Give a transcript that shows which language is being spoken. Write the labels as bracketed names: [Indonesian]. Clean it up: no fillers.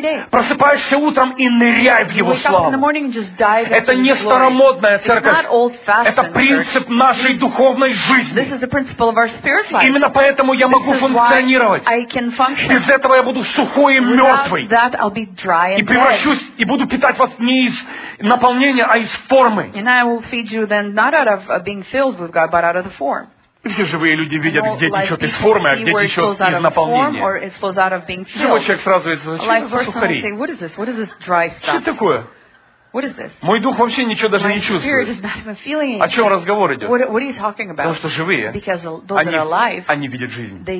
[Russian] Просыпаешься утром и ныряй в Его славу. Это не старомодная церковь. Это принцип нашей духовной жизни. Именно поэтому я могу функционировать. Без этого я буду сухой и мертвый. И превращусь, и буду питать вас не из наполнения, а из формы. [English] Not out of being filled with God, but out of the form. [Russian] Все живые люди видят, где течет из формы, а где течет из наполнения. Живой человек сразу говорит, что это сухари. Что это такое? Мой дух вообще ничего даже не чувствует. О чем разговор идет? Потому что живые, они видят жизнь.